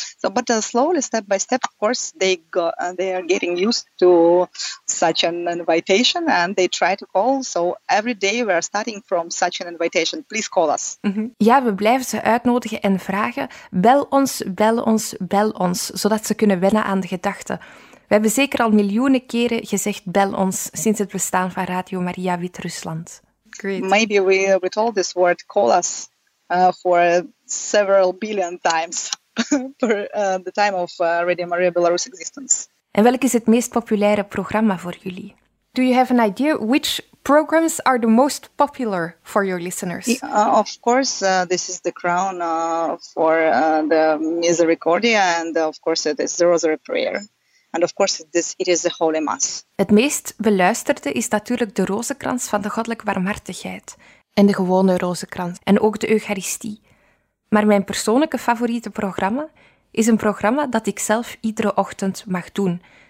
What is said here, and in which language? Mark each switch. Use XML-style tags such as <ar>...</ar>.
<en>So, but slowly, step by step, of course, they are getting used to such an invitation and they try to call. So every day we are starting from such an invitation. Please call us. Mm-hmm.</en> <nl>Ja, we blijven ze uitnodigen en vragen. Bel ons, bel ons, bel ons, zodat ze kunnen wennen aan de gedachte. We hebben zeker al miljoenen keren gezegd, bel ons, sinds het bestaan van Radio Maria Wit-Rusland.</nl> <en>Great. Maybe we told this word, call us, for several billion times per the time of Radio Maria Belarus existence.</en> <nl>En welk is het meest populaire programma voor jullie?</nl> <en>Do you have an idea which programs are the most popular for your listeners? Of course, this is the crown for the Misericordia and of course it is the Rosary Prayer. And of course, it is the Holy Mass.</en> <nl>Het meest beluisterde is natuurlijk de rozenkrans van de Goddelijke Barmhartigheid. En de gewone rozenkrans. En ook de Eucharistie. Maar mijn persoonlijke favoriete programma is een programma dat ik zelf iedere ochtend mag doen.</nl>